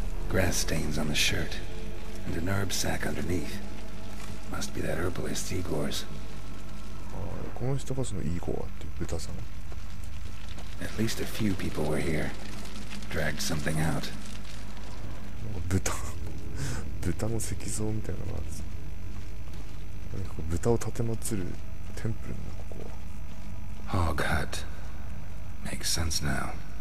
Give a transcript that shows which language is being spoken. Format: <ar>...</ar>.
<en>Grass stains on the shirt, and an herb sack underneath. Must be that herbalist Igor's.</en> <ja>この人がそのイーゴアっていう豚さん。</ja> <en>At least a few people were here. Dragged something out.</en> <ja>豚の石像みたいなのがあるぞ。豚を奉るテンプルなの、ここは。</ja> <en>Hog hut. Makes sense now.</en>